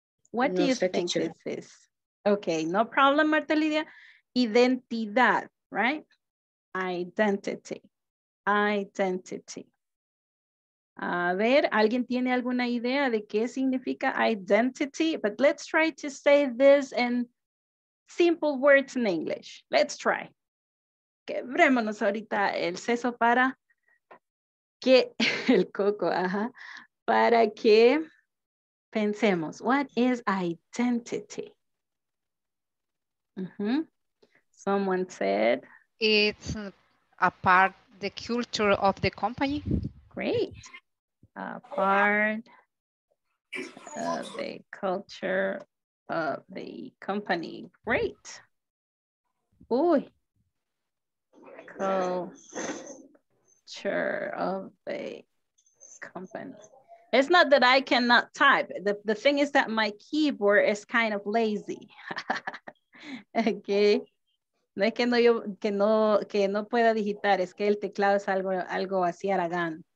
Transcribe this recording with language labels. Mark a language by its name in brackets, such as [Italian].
[English] What do you think this is? Okay, no problem, Marta Lidia. Identidad, right? Identity. Identity. [Spanish] A ver, ¿alguien tiene alguna idea de qué significa identity? [English] But let's try to say this in simple words in English. Let's try. [Spanish] Quebrémonos ahorita el seso para que el coco, ajá, para que pensemos. [English] What is identity? Mm-hmm. Someone said. It's a part of the culture of the company. Great. A part of the culture of the company. Great. Uy. Culture of the company. It's not that I cannot type. The thing is that my keyboard is kind of lazy. Okay. [Spanish] No es que no yo que no pueda digitar, es que el teclado es algo así aragán.